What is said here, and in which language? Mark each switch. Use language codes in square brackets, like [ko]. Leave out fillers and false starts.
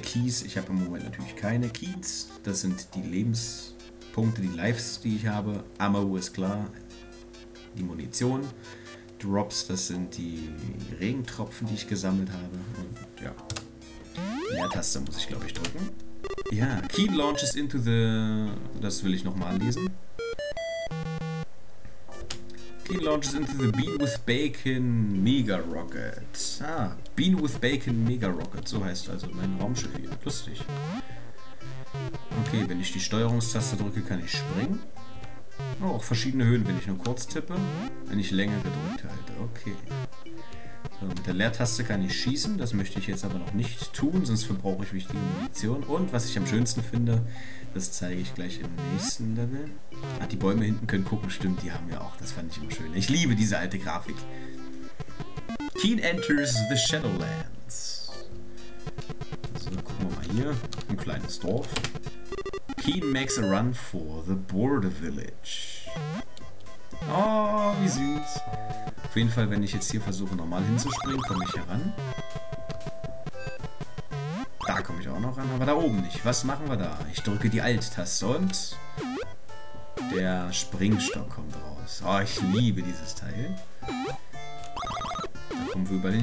[de] Keys, ich habe im Moment natürlich keine Keys. Das sind die Lebenspunkte, die Lives, die ich habe. Ammo ist klar. Die Munition. Drops, das sind die Regentropfen, die ich gesammelt habe. Und ja, Leertaste muss ich, glaube ich, drücken. Ja, [en] Keen launches into the. [de] Das will ich nochmal lesen. [en] Keen launches into the Bean with Bacon Mega Rocket. Ah, Bean with Bacon Mega Rocket. [de] So heißt also mein Raumschiff hier. Lustig. Okay, wenn ich die Steuerungstaste drücke, kann ich springen. Oh, auch verschiedene Höhen, wenn ich nur kurz tippe. Wenn ich länger gedrückt halte. Okay. So, mit der Leertaste kann ich schießen. Das möchte ich jetzt aber noch nicht tun, sonst verbrauche ich wichtige Munition. Und was ich am schönsten finde, das zeige ich gleich im nächsten Level. Ah, die Bäume hinten können gucken. Stimmt, die haben wir auch. Das fand ich immer schön. Ich liebe diese alte Grafik. [en] Keen enters the Shadowlands. [de] So, gucken wir mal hier. Ein kleines Dorf. [en] Keen makes a run for the Border Village. [de] Oh, wie süß. Auf jeden Fall, wenn ich jetzt hier versuche, normal hinzuspringen, komme ich hier ran. Da komme ich auch noch ran, aber da oben nicht. Was machen wir da? Ich drücke die Alt-Taste und der Springstock kommt raus. Oh, ich liebe dieses Teil. Da kommen wir über den.